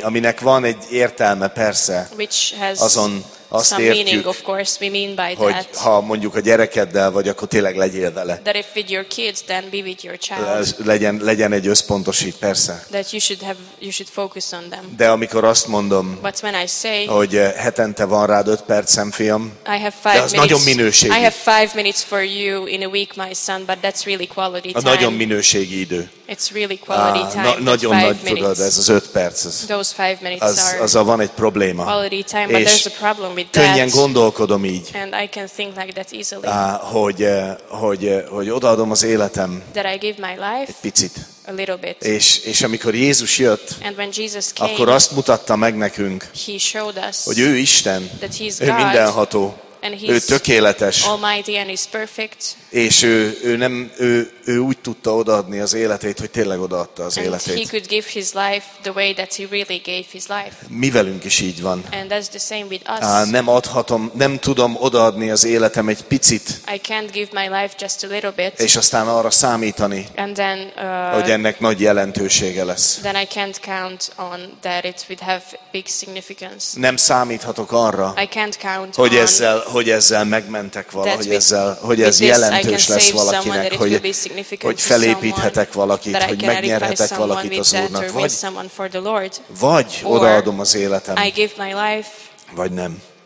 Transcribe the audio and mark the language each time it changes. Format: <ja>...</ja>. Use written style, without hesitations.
<hu>aminek van egy értelme, persze,</hu> <en>which has</en> <hu>azon azt</hu> <en>some</en> <hu>értjük,</hu> <en>meaning, of course, we mean by</en> <hu>hogy</hu> <en>that,</en> <hu>ha mondjuk a gyerekeddel vagy, akkor tényleg legyél vele.</hu> <en>That if with your kids, then be with your child.</en> <hu>Legyen egy összpontosít, persze.</hu> <en>That you should focus on them.</en> <hu>De amikor azt mondom,</hu> <en>but when I say,</en> <hu>hogy hetente van rád 5 percem, fiam,</hu> <en>I have five</en> <hu>de az nagyon minőségi.</hu> <en>I have 5 minutes for you in a week, my son, but that's really quality time.</en> <hu>A nagyon minőségi idő.</hu> <en>It's really quality time.</en> <hu>Nagyon nagy, tudod, ez az 5 perc. Ez.</hu> <en>Those 5 minutes az, are.</en> <hu>Azzal van egy probléma.</hu> <en>Quality time, but there's a problem.</en> <hu>Könnyen gondolkodom így,</hu> <en>and I can think like that easily,</en> <hu>hogy odaadom az életem,</hu> <en>that I give my life,</en> <hu>egy picit.</hu> <en>A little bit.</en> <hu>És amikor Jézus jött,</hu> <en>and when Jesus came,</en> <hu>akkor azt mutatta meg nekünk,</hu> <en>he showed us,</en> <hu>hogy ő Isten,</hu> <en>that he's</en> <hu>ő mindenható,</hu> <en>and he's</en> <hu>ő tökéletes,</hu> <en>almighty and he's perfect,</en> <hu>és ő úgy tudta odaadni az életét, hogy tényleg odaadta az életét.</hu> <en>He could give his life the way that he really gave his life.</en> <hu>Mi velünk is így van.</hu> <en>And that's the same with us.</en> <hu>Nem adhatom, nem tudom odaadni az életem egy picit.</hu> <en>I can't give my life just a little bit.</en> <hu>És aztán arra számítani,</hu> <en>and then,</en> <hu>hogy ennek nagy jelentősége lesz.</hu> <en>Then I can't count on that it would have big significance.</en> <hu>Nem számíthatok arra,</hu> <en>I can't count</en> <hu>hogy</hu> <en>on</en> <hu>ezzel, hogy ezzel megmentek valahogy ezzel, hogy ez jelentős lesz valakinek, hogy felépíthetek valakit, hogy megnyerhetek valakit az Úrnak, vagy odaadom az életem, vagy nem.</hu>